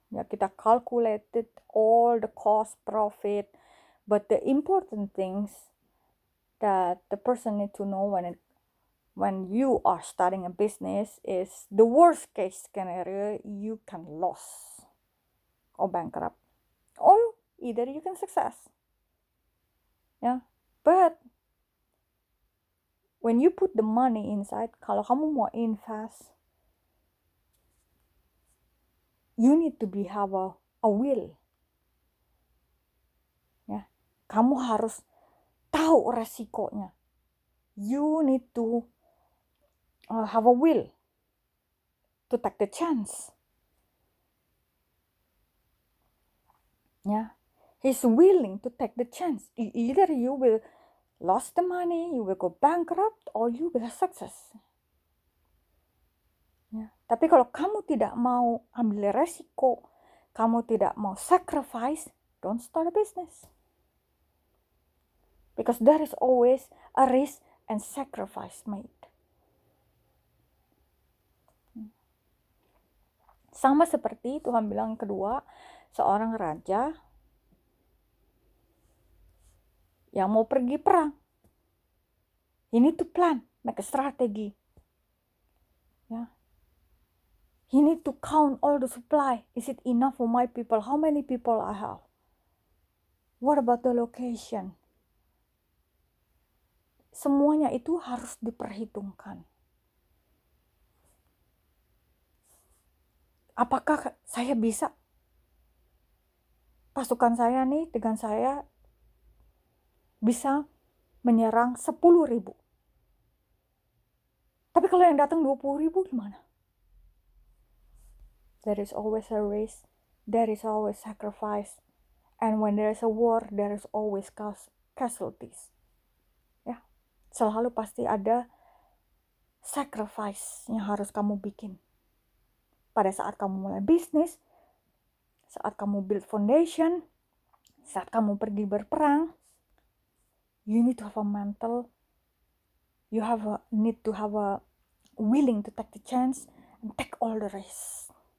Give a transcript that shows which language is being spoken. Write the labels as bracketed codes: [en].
[id] Ya, kita [en] calculated all the cost, profit, but the important things that the person need to know when you are starting a business is the worst case scenario, you can lose or bankrupt or either you can success. Ya, but when you put the money inside, [id] kalau kamu mau invest, [en] you need to have a will. [id] Ya, kamu harus tahu resikonya. [en] You need to have a will to take the chance. Ya, he's willing to take the chance. Either you will lose the money, you will go bankrupt, or you will have success. [id] Tapi kalau kamu tidak mau ambil resiko, kamu tidak mau sacrifice, [en] don't start a business. Because there is always a risk and sacrifice made. [id] Sama seperti Tuhan bilang kedua, seorang raja yang mau pergi perang. [en] You need to plan, make a strategy. He need to count all the supply. Is it enough for my people? How many people I have? What about the location? [id] Semuanya itu harus diperhitungkan. Apakah saya bisa? Pasukan saya nih dengan saya bisa menyerang 10.000. Tapi kalau yang datang 20 ribu gimana? [en] There is always a risk, there is always sacrifice, and when there is a war, there is always casualties. [id] Ya, selalu pasti ada sacrifice yang harus kamu bikin. Pada saat kamu mulai bisnis, saat kamu [en] build foundation, saat kamu [id] pergi berperang, [en] you need to have a mental, you have a, need to have a willing to take the chance and take all the risk.